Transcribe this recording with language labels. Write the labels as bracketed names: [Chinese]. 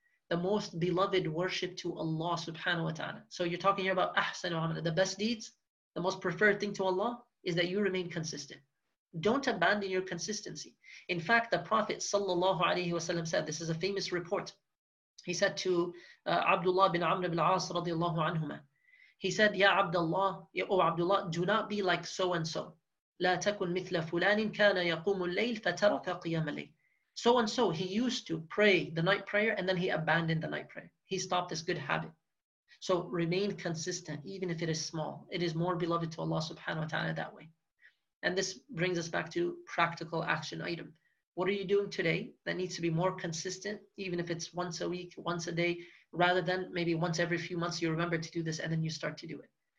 [English] The most beloved worship to Allah subhanahu wa ta'ala. So you're talking here about [Arabic] ahsan wa amala. [English] The best deeds, the most preferred thing to Allah is that you remain consistent. Don't abandon your consistency. In fact, the Prophet sallallahu alayhi wa sallam said, this is a famous report. He said to Abdullah bin Amr bin As radiallahu anhuma, he said, Ya Abdullah, O Abdullah, do not be like so and so. [Arabic] لا تكن مثل فلان كان يقوم الليل فترك قيام الليل. [English] So and so, he used to pray the night prayer and then he abandoned the night prayer. He stopped this good habit. So remain consistent, even if it is small. It is more beloved to Allah subhanahu wa ta'ala that way. And this brings us back to practical action item. What are you doing today that needs to be more consistent, even if it's once a week, once a day, rather than maybe once every few months you remember to do this and then you start to do it?